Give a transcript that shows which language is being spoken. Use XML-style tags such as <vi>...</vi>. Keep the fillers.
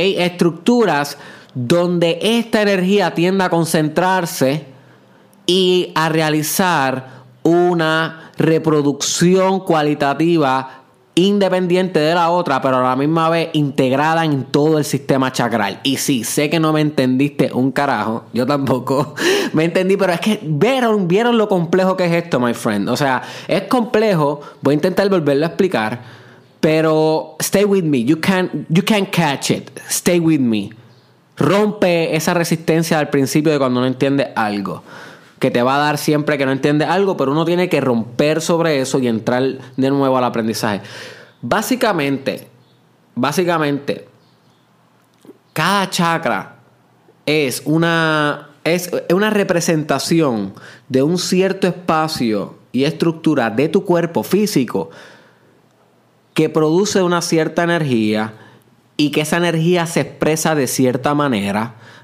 <es>Estructuras donde esta energía tienda a concentrarse y a realizar una reproducción cualitativa independiente de la otra, pero a la misma vez integrada en todo el sistema chacral... Y sí, sé que no me entendiste un carajo, yo tampoco me entendí, pero es que vieron, vieron lo complejo que es esto,</es> <en>my friend.</en> <es>O sea, es complejo, voy a intentar volverlo a explicar. Pero</es> <en>stay with me, you can, you catch it, stay with me.</en> <es>Rompe esa resistencia al principio de cuando no entiende algo. Que te va a dar siempre que no entiende algo, pero uno tiene que romper sobre eso y entrar de nuevo al aprendizaje. Básicamente, básicamente, cada chakra es una, es una representación de un cierto espacio y estructura de tu cuerpo físico que produce una cierta energía y que esa energía se expresa de cierta manera.</es>